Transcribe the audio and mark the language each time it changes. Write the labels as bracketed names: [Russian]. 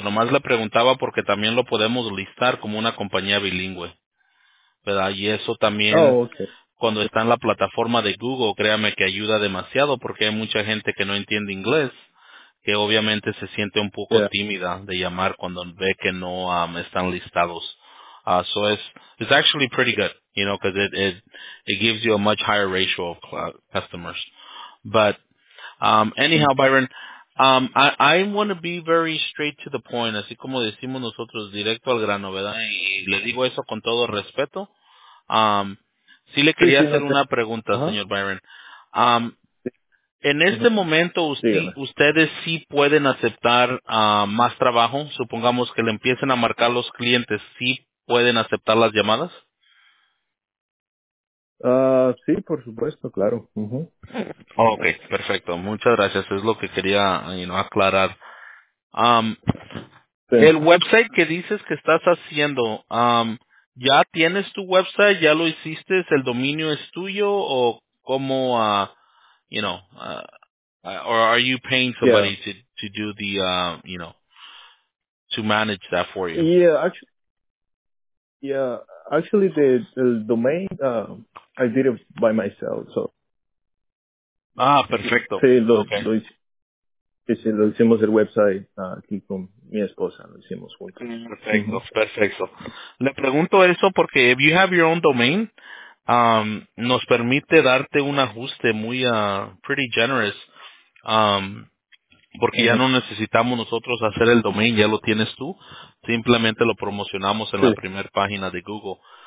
[Spanish] Nomás le preguntaba porque también lo podemos listar como una compañía bilingüe, ¿verdad? Y eso también, cuando está en la plataforma de Google, créame que ayuda demasiado porque hay mucha gente que no entiende inglés, que obviamente se siente un poco tímida de llamar cuando ve que no están listados. [English] So it's actually pretty good, you know, because it gives you a much higher ratio of customers. But anyhow, Byron, I want to be very straight to the point, [Spanish] así como decimos nosotros, directo al grano, [English] ¿verdad? [Spanish] Y le digo eso con todo respeto. Sí le quería hacer una pregunta, señor Byron. En este momento, ¿ustedes sí pueden aceptar más trabajo? Supongamos que le empiecen a marcar los clientes, ¿sí pueden aceptar las llamadas? Sí, por supuesto, claro. Uh-huh. Okay, perfecto. Muchas gracias. Es lo que quería, you know, aclarar. El website que dices que estás haciendo, ¿ya tienes tu website? ¿Ya lo hiciste? ¿El dominio es tuyo? ¿O cómo... [English] you know, or are you paying somebody to do the, you know, to manage that for you? Yeah, actually the domain, I did it by myself, so. [Spanish] Ah, perfecto. Sí, lo hicimos el website aquí con mi esposa, lo hicimos juntos. Perfecto, perfecto. Le pregunto eso porque [English] if you have your own domain, [Spanish] nos permite darte un ajuste muy pretty generous, porque ya no necesitamos nosotros hacer el domain, ya lo tienes tú, simplemente lo promocionamos en la primera página de Google.